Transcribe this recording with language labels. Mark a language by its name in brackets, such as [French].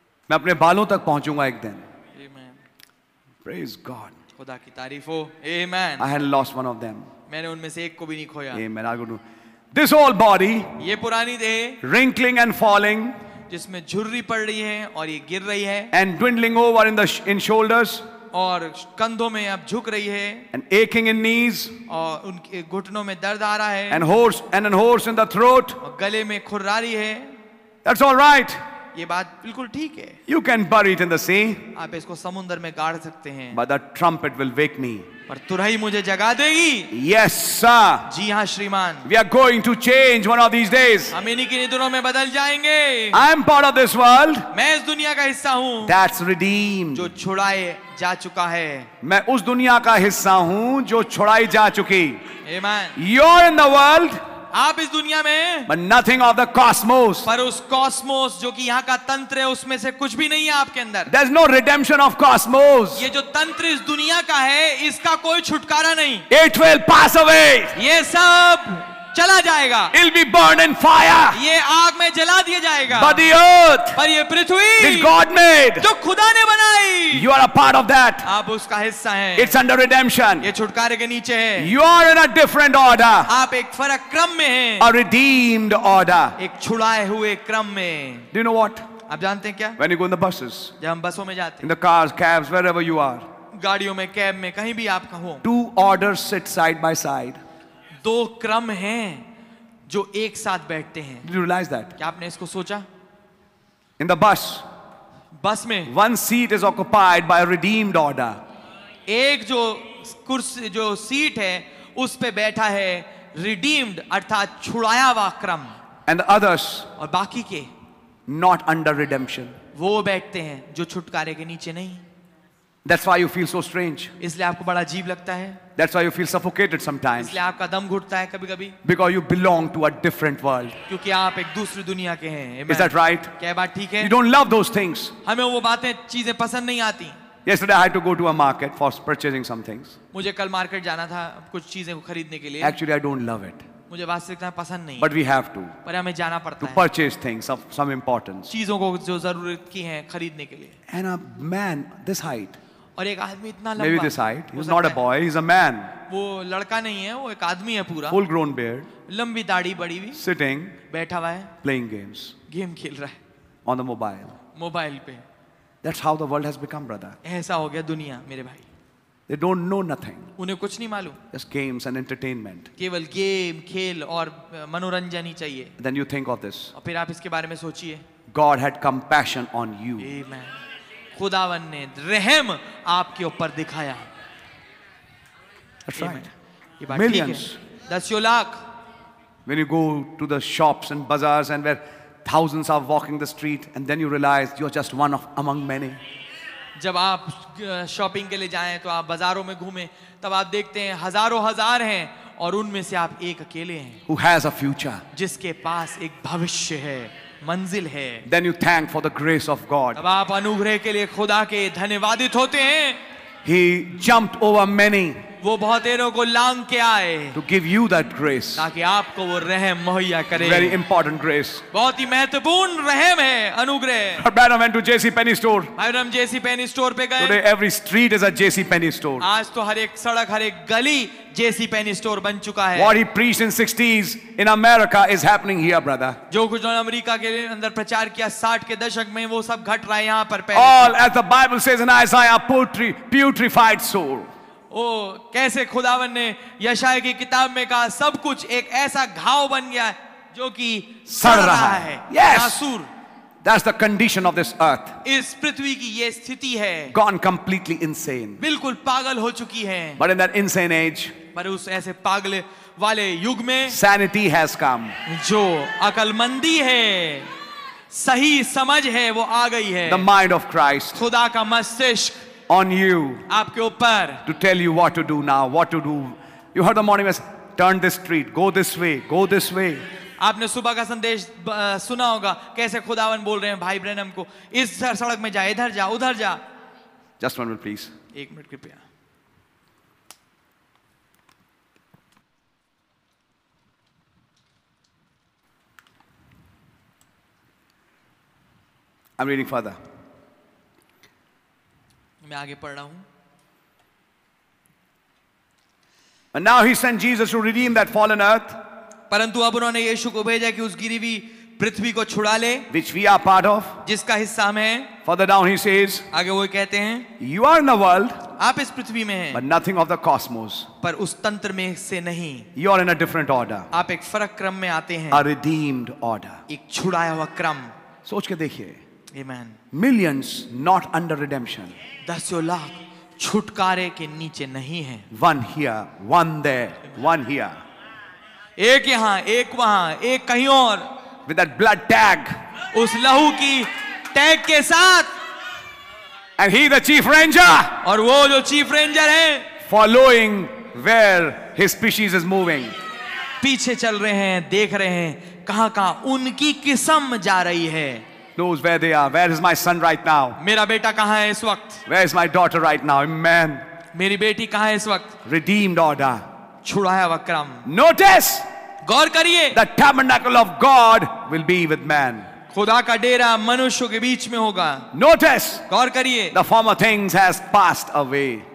[Hindi] मैं अपने बालों तक पहुंचूंगा एक दिन. [English] Amen. Praise God. [Hindi] खुदा की तारीफ हो. Amen. [English] I had lost one of them. [Hindi] मैंने उनमें से एक को भी नहीं खोया. [English] Amen. I'll go to this old body. [Hindi] ये पुरानी देह. [English] Wrinkling and falling. [Hindi] जिसमें झुर्री पड़ रही है और ये गिर रही है. [English] And dwindling over in shoulders. [Hindi] और कंधों में अब झुक रही है. [English] And aching in knees. [Hindi] और उनके घुटनों में दर्द आ रहा है. [English] And a horse in the throat. [Hindi] और गले में खुरारी है. [English] That's all right. [Hindi] ये बात बिल्कुल ठीक है. [English] You can bury it in the sea. [Hindi] आप इसको समुद्र में गाड़ सकते हैं. [English] But the trumpet will wake me. [Hindi] पर तुरही मुझे जगा देगी. [English] Yes, sir. [Hindi] जी हाँ श्रीमान. [English] We are going to change one of these days. [Hindi] हम इन्हीं किन्हीं दिनों में बदल जाएंगे. [English] I am part of this world. [Hindi] मैं इस दुनिया का हिस्सा हूँ. [English] That's redeemed. [Hindi] जो छुड़ाए जा चुका है. मैं उस दुनिया का हिस्सा हूँ जो छुड़ाई जा चुकी. [English] Amen. You're in the world. [Hindi] आप इस दुनिया में. [English] But nothing of the cosmos. [Hindi] पर उस कॉस्मोस जो कि यहाँ का तंत्र है उसमें से कुछ भी नहीं है आपके अंदर. [English] There's no redemption of cosmos. [Hindi] ये जो तंत्र इस दुनिया का है इसका कोई छुटकारा नहीं. [English] It will pass away. [Hindi] ये सब चला जाएगा. [English] It'll be burned in fire. [Hindi] ये आग में जला दिया जाएगा. [English] But the earth. [Hindi] पर ये पृथ्वी. [English] Which God made. [Hindi] जो खुदा ने बनाई. [English] You are a part of that. [Hindi] आप उसका हिस्सा हैं. [English] It's under redemption. [Hindi] ये छुटकारे के नीचे है. [English] You are in a different order. [Hindi] आप एक फर्क क्रम में हैं. [English] A redeemed order. [Hindi] एक छुड़ाए हुए क्रम में. [English] Do you know what? [Hindi] आप जानते हैं क्या? [English] When you go in the buses. [Hindi] जब हम बसों में जाते हैं. [English] In the cars, cabs, wherever you are. [Hindi] गाड़ियों में, कैब में, कहीं भी आप कहो। [English] two order sit side by side, [Hindi] दो क्रम हैं जो एक साथ बैठते हैं। [English] Did you realize that? [Hindi] क्या आपने इसको सोचा? [English] In the bus, [Hindi] बस में, [English] one seat is occupied by a redeemed order. [Hindi] एक जो कुर्सी, जो सीट है, उस पे बैठा है redeemed, अर्थात छुड़ाया हुआ क्रम। [English] And the others, [Hindi] और बाकी के, [English] not under redemption. [Hindi] वो बैठते हैं जो छुटकारे के नीचे नहीं। [English] That's why you feel so strange. [Hindi] इसलिए आपको बड़ा अजीब लगता है। [English] That's why you feel suffocated sometimes. [Hindi] इसलिए आपका दम घुटता है कभी-कभी। [English] Because you belong to a different world. [Hindi] क्योंकि आप एक दूसरी दुनिया के हैं। [English] Is that right? [Hindi] क्या बात ठीक है? [English] You don't love those things. [Hindi] हमें वो बातें, चीजें पसंद नहीं आती। [English] Yesterday I had to go to a market for purchasing some things. [Hindi] मुझे कल मार्केट जाना था कुछ चीजें खरीदने के लिए। [English] Actually I don't love it. [Hindi] मुझे वास्तविकता में पसंद नहीं। [English] But we have to. [Hindi] पर हमें जाना पड़ता [English] है। To purchase things of some importance. [Hindi] चीजों को जो जरूरत की हैं खरीदने के लिए। [English] And a man this height. [Hindi] और एक आदमी इतना [English] लंबा। Maybe this height. He's not a boy. He's a man. [Hindi] वो लड़का नहीं है, वो एक आदमी है पूरा। [English] Full grown beard. [Hindi] लंबी दाढ़ी बड़ी हुई। [English] Sitting. [Hindi] बैठा हुआ है। [English] Playing games. [Hindi] गेम खेल रहा है। [English] On the mobile. [Hindi] मोबाइल पे। [English] That's how the world has become, brother. [Hindi] ऐसा हो गया दुनिया मेरे भाई। [English] They don't know nothing. [Hindi] उन्हें कुछ नहीं मालूम। [English] Just games and entertainment. [Hindi] केवल गेम, खेल और मनोरंजन ही चाहिए। [English] Then you think of this. [Hindi] और फिर आप इसके बारे में सोचिए। [English] God had compassion on you. Amen. [Hindi] खुदावन ने रहम आपके ऊपर दिखाया। [English] That's right. Millions. [Hindi] दसियों lakh. [English] When you go to the shops and bazaars and where thousands are walking the street, and then you realize you are just one of among many. [Hindi] जब आप shopping के लिए जाएं तो आप बाजारों में घूमें तब आप देखते हैं हजारों हजार हैं और उनमें से आप एक अकेले हैं। [English] Who has a future? [Hindi] जिसके पास एक भविष्य है, मंजिल है। [English] Then you thank for the grace of God. [Hindi] तब आप अनुग्रह के लिए खुदा के धन्यवादित होते हैं। [English] He jumped over many. [Hindi] वो बहुतेरों को लांग के आए। [English] To give you that grace. [Hindi] ताकि आपको वो रहम मुहैया करे। [English] Very important grace. [Hindi] बहुत ही महत्वपूर्ण रहम है, अनुग्रह। [English] Abraham went to J.C. Penney store. [Hindi] Abraham J.C. Penney store पे गए। [English] Today every street is a J.C. Penney store. [Hindi] आज तो हर एक सड़क, हर एक गली J.C. Penney store बन चुका है। [English] What he preached in 60s in America is happening here, brother. [Hindi] जो कुछ उन्होंने अमेरिका के अंदर प्रचार किया 60 के दशक में, वो सब घट रहा है यहाँ पर। [English] All as the Bible says in Isaiah, putrefied soul. [Hindi] ओ, कैसे खुदावन ने यशाय की किताब में कहा, सब कुछ एक ऐसा घाव बन गया है जो कि सड़ रहा है। [English] Yes, that's the condition of this earth. [Hindi] इस पृथ्वी की ये स्थिति है। [English] Gone completely insane. [Hindi] बिल्कुल पागल हो चुकी है। [English] But in that insane age, [Hindi] पर उस ऐसे पागल वाले युग में, [English] sanity has come. [Hindi] जो अकलमंदी है, सही समझ है, वो आ गई है। [English] The mind of Christ. [Hindi] खुदा का मस्तिष्क। [English] On you, [Hindi] आपके ऊपर, [English] to tell you what to do now, what to do. You heard the morning message. Turn this street, go this way, go this way. [Hindi] आपने सुबह का संदेश सुना होगा, कैसे खुदावन बोल रहे हैं भाई ब्रैनम को, इस सड़क में जा, इधर जा, उधर जा. [English] Just one minute, please. [Hindi] एक मिनट कृपया. [English] I'm reading further. [Hindi] मैं आगे पढ़ रहा हूं। [English] And now he sent Jesus to redeem that fallen earth. [Hindi] परंतु अब उन्होंने यीशु को भेजा कि उस गिरी हुई पृथ्वी को छुड़ा ले। [English] Which we are part of. [Hindi] जिसका हिस्सा हम हैं। [English] Further down he says. [Hindi] आगे वो कहते हैं। [English] You are in the world. [Hindi] आप इस पृथ्वी में हैं। [English] But nothing of the cosmos. [Hindi] पर उस तंत्र में से नहीं। [English] You are in a different order. [Hindi] आप एक फर्क क्रम में आते हैं। [English] A redeemed order. [Hindi] एक छुड़ाया हुआ क्रम। सोच के देखिए। [English] Amen. Millions not under redemption. [Hindi] दसों लाख छुटकारे के नीचे नहीं है। [English] One here, one there, one here. [Hindi] एक यहाँ, एक वहाँ, एक कहीं और। [English] With that blood tag. [Hindi] उस लहू की टैग के साथ। [English] And he the chief ranger. [Hindi] और वो जो चीफ रेंजर है। [English] Following where his species is moving. [Hindi] पीछे चल रहे हैं, देख रहे हैं कहाँ कहाँ उनकी किस्म जा रही है। [English] Knows where they are. Where is my son right now? [Hindi] मेरा बेटा कहाँ है इस वक्त? [English] Where is my daughter right now? Amen. [Hindi] मेरी बेटी कहाँ है इस वक्त? [English] Redeemed order. [Hindi] छुड़ाया वक्रम. [English] Notice. [Hindi] गौर करिए. [English] The tabernacle of God will be with man. [Hindi] खुदा का डेरा मनुष्यों के बीच में होगा. [English] Notice. [Hindi] गौर करिए. [English] The former things has passed away.